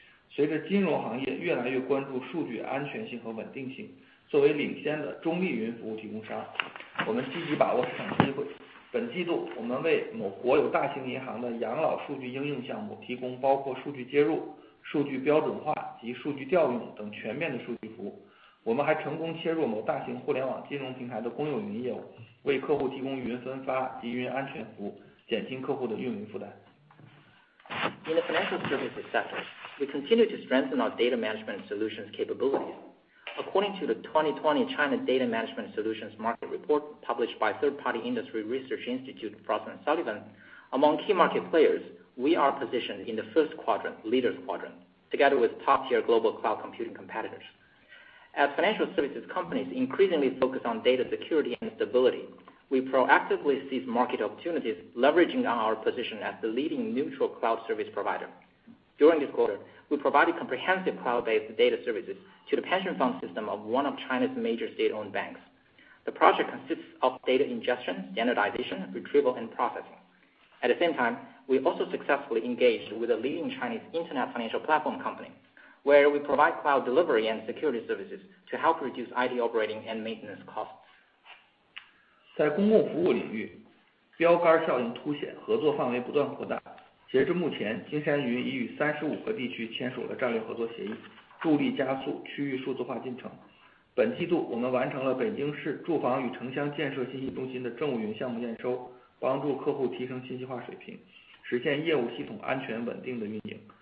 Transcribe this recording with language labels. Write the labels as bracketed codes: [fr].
[zh] 随着金融行业越来越关注数据安全性和稳定性， 作为领先的中立云服务提供商，我们积极把握市场机会。本季度，我们为某国有大型银行的养老数据应用项目提供包括数据接入、数据标准化及数据调用等全面的数据服务。我们还成功切入某大型互联网金融平台的公有云业务，为客户提供云分发及云安全服务，减轻客户的运维负担。 [en] In the financial services sector, we continue to strengthen our data management solutions capabilities. According to the 2020 China Data Management Solutions Market Report published by third-party industry research institute Frost & Sullivan, among key market players, we are positioned in the first quadrant, leaders quadrant, together with top-tier global cloud computing competitors. As financial services companies increasingly focus on data security and stability, we proactively seize market opportunities, leveraging our position as the leading neutral cloud service provider. During this quarter, we provided comprehensive cloud-based data services to the pension fund system of one of China's major state-owned banks. The project consists of data ingestion, standardization, retrieval, and processing. At the same time, we also successfully engaged with a leading Chinese internet financial platform company, where we provide cloud delivery and security services to help reduce IT operating and maintenance costs. [zh] 在公共服务领域, 标杆效应凸显合作范围不断扩大, 截至目前,金山云已与35个地区签署了战略合作协议, 助力加速区域数字化进程。本季度,我们完成了北京市住房与城乡建设信息中心的政务云项目验收, 帮助客户提升信息化水平, 实现业务系统安全稳定的运营。